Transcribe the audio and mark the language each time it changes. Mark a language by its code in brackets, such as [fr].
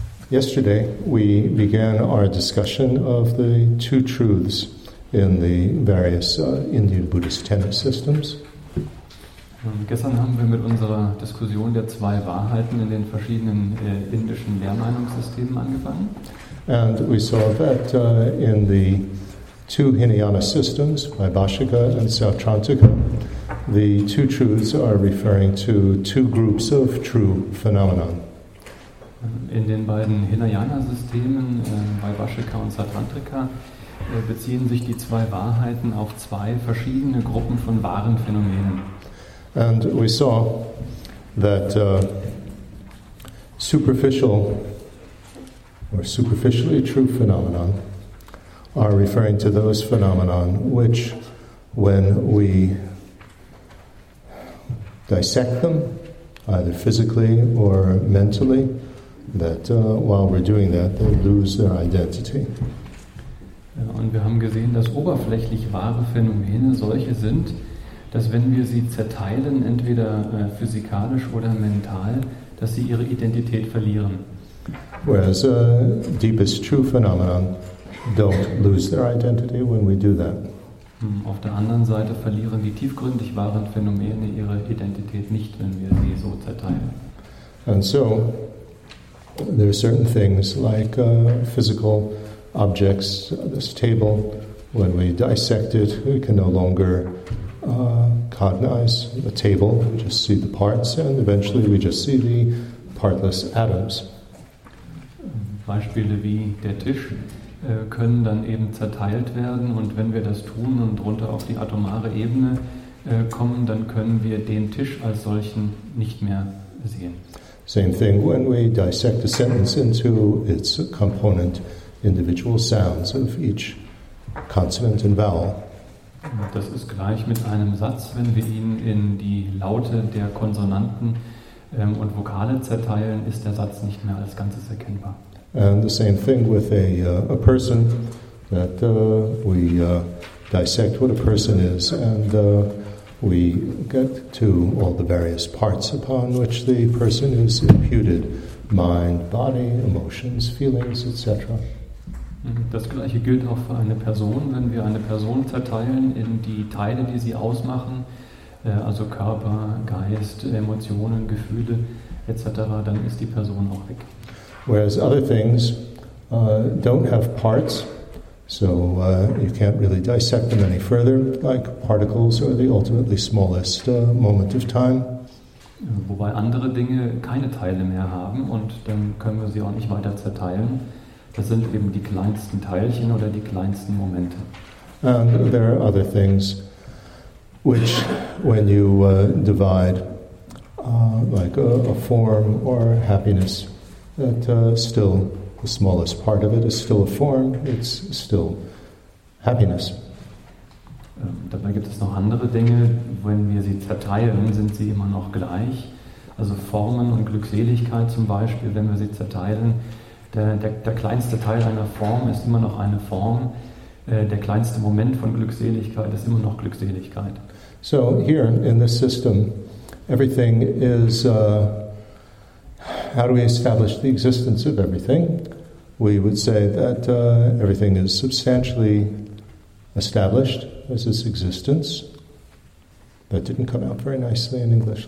[en] Yesterday, we began our discussion of the two truths in the various Indian Buddhist tenet systems. [de] Gestern haben wir mit unserer Diskussion der zwei Wahrheiten in den verschiedenen indischen Lehrmeinungssystemen angefangen. [en] And we saw that in the two Hinayana systems, Vaibhashika and Sautrantika, the two truths are referring to two groups of true phenomena. [de] In den beiden Hinayana-Systemen, Vaibhashika und Sautrantika, beziehen sich die zwei Wahrheiten auf zwei verschiedene Gruppen von wahren Phänomenen. [en] And we saw that superficial or superficially true phenomena are referring to those phenomena which, when we dissect them, either physically or mentally, that while we're doing that, they lose their identity. [de] Und wir haben gesehen, dass oberflächlich wahre Phänomene solche sind, dass wenn wir sie zerteilen, entweder physikalisch oder mental, dass sie ihre Identität verlieren. [en] Whereas deepest true phenomena don't lose their identity when we do that. [de] Auf der anderen Seite verlieren die tiefgründig wahren Phänomene ihre Identität nicht, wenn wir sie so zerteilen. [en] And so, there are certain things like physical objects, this table, when we dissect it, we can no longer cognize the table, just see the parts, and eventually we just see the partless atoms. [de] Beispiele wie der Tisch können dann eben zerteilt werden, und wenn wir das tun und runter auf die atomare Ebene kommen, dann können wir den Tisch als solchen nicht mehr sehen. [en] Same thing when we dissect a sentence into its component individual sounds of each consonant and vowel. [de] Das ist gleich mit einem Satz, wenn wir ihn in die Laute der Konsonanten und Vokale zerteilen, ist der Satz nicht mehr als Ganzes erkennbar. [en] And the same thing with a person, that we dissect what a person is, and we get to all the various parts upon which the person is imputed, mind, body, emotions, feelings, etc. [de] Das gleiche gilt auch für eine Person. Wenn wir eine Person zerteilen in die Teile, die sie ausmachen, also Körper, Geist, Emotionen, Gefühle, etc., dann ist die Person auch weg. [en] Whereas other things don't have parts, so you can't really dissect them any further, like particles or the ultimately smallest moment of time. [de] Wobei andere Dinge keine Teile mehr haben, und dann können wir sie auch nicht weiter zerteilen. Das sind eben die kleinsten Teilchen oder die kleinsten Momente. [en] And there are other things which, when you divide, like a form or happiness, that still the smallest part of it is still a form, it's still happiness. [de] Dabei gibt es noch andere Dinge, wenn wir sie zerteilen, sind sie immer noch gleich. Also Formen und Glückseligkeit zum Beispiel, wenn wir sie zerteilen, der kleinste Teil einer Form ist immer noch eine Form, der kleinste Moment von Glückseligkeit ist immer noch Glückseligkeit. [en] So here in this system, everything is... how do we establish the existence of everything? We would say that everything is substantially established as its existence. That didn't come out very nicely in English.